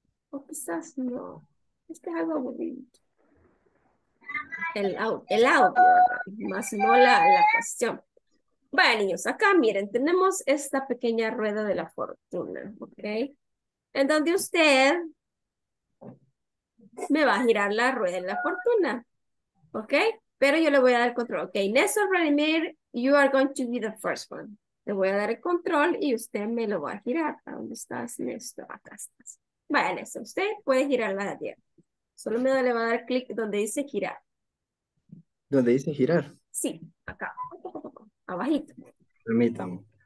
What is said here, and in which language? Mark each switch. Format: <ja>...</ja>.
<es>O quizás no. Es que es algo bonito. El audio, ¿verdad? Más no la cuestión. Bueno, niños, acá miren, tenemos esta pequeña rueda de la fortuna, ¿ok? En donde usted me va a girar la rueda de la fortuna, ¿ok? Pero yo le voy a dar control.</es> <en>Ok, Néstor Vladimir, you are going to be the first one.</en> <es>Le voy a dar el control y usted me lo va a girar. ¿A dónde estás, Néstor? Acá estás. Vaya, Néstor, usted puede girar la de 10. Solo me le va a dar clic donde dice girar. ¿Dónde dice girar? Sí, acá. Abajito. Permítame.</es>